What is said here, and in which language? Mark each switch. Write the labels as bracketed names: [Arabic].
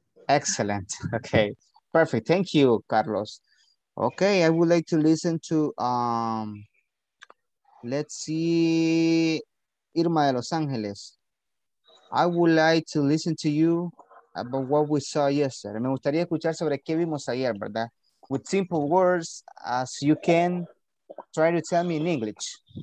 [English] Excellent. Okay. Perfect. Thank you, Carlos. Okay. I would like to listen to, let's see, Irma de Los Angeles. I would like to listen to you about what we saw yesterday. [Spanish] Me gustaría escuchar sobre qué vimos ayer, ¿verdad? [English] With simple words, as you can, try to tell me in English.